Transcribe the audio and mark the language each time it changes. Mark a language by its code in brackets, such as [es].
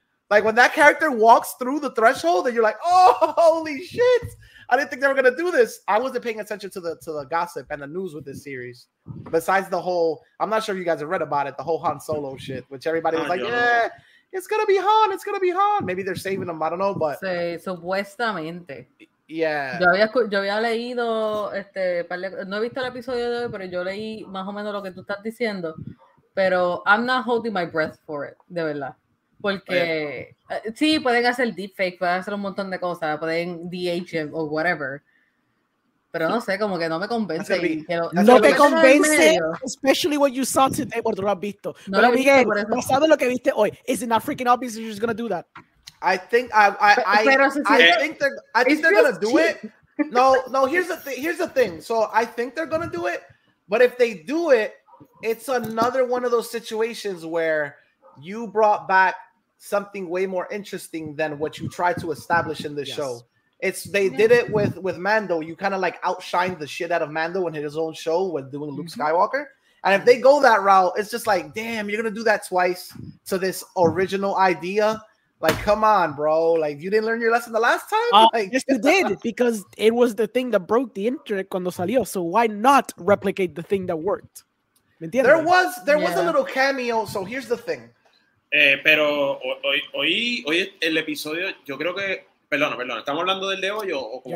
[en] Like, when that character walks through the threshold and you're like, oh, holy shit. I didn't think they were going to do this. I wasn't paying attention to the gossip and the news with this series. Besides the whole, I'm not sure if you guys have read about it, the whole Han Solo shit, which everybody was it's going to be Han. It's going to be Han. Maybe they're saving him. I don't know, but. [es] Sí, supuestamente. [en] Yeah. [es] Yo había leído, no he visto el episodio de hoy, pero yo leí más o menos lo que tú estás diciendo. Pero [en] I'm not holding my breath for it, [es] de verdad. Porque sí, pueden hacer deepfake, pueden hacer un montón de cosas, pueden [en] DH him o whatever. [es] Pero no sé, como que no me convence. No te convence, [en] especially what you saw today, what you have [es] visto. No lo Miguel, visto pasado en lo que viste hoy, [en] is it not freaking obvious you're just going to do that? I think they're going to do it. No, here's the thing. So I think they're going to do it. But if they do it, it's another one of those situations where you brought back something way more interesting than what you tried to establish in this show. They did it with Mando. You kind of like outshined the shit out of Mando in his own show when doing Luke Skywalker. And if they go that route, it's just like, damn, you're gonna do that twice to this original idea. Like, come on, bro. Like, you didn't learn your lesson the last time? Yes, you did, because it was the thing that broke the internet [es] cuando salió. [en] So why not replicate the thing that worked? There was a little cameo. So here's the thing. [es] Pero hoy el episodio, yo creo que, perdón, ¿estamos hablando del de hoy o como